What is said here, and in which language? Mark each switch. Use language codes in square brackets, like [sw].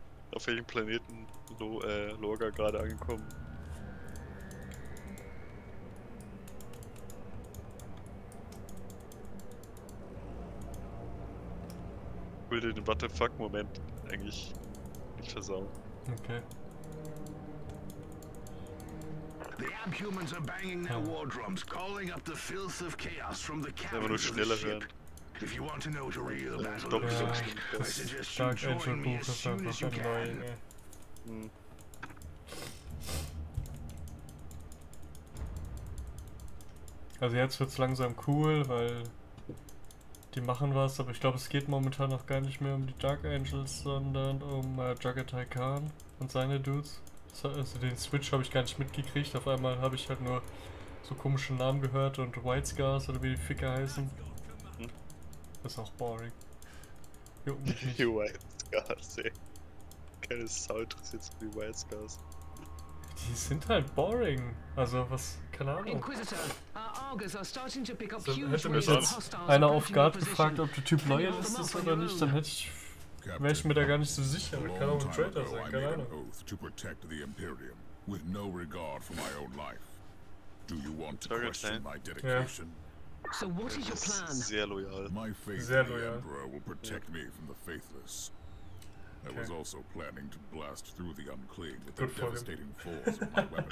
[de] Auf welchem Planeten Lorca gerade angekommen. Ich will den WTF-Moment eigentlich nicht versauen. Okay. [en] The Abhumans are banging their war drums, calling up the filth of chaos from the cavern of the ship. If you want to know what a real battle is like, I suggest you join me as soon as you can. Hm. [de] Also jetzt wird's langsam cool, weil die machen was, aber ich glaube, es geht momentan noch gar nicht mehr um die Dark Angels, sondern um Jagatai Khan und seine Dudes. Also den Switch habe ich gar nicht mitgekriegt, auf einmal habe ich halt nur so komischen Namen gehört und White Scars oder wie die Ficker heißen. Ist auch boring. Juckt mich nicht. White Scars, ey. keine Sau interessiert, so wie White Scars. Die sind halt boring. Also, was, keine Ahnung. [en] Inquisitor, our Augurs are starting to pick up huge waves of hostiles. [de] Hätte mir jetzt einer auf Guard gefragt, ob der Typ Loyalist ist oder nicht, dann hätte ich. Wäre ich mir da gar nicht so sicher, aber kann auch ein Traitor sein, keine Ahnung. [en] Oath to protect the Imperium, with no regard for my own life. Do you want to question my dedication? So what is your plan? [de] Sehr loyal. [en] My faith in the Emperor will protect me from the faithless. Okay. I was also planning to blast through the unclean with the devastating force of my weapon.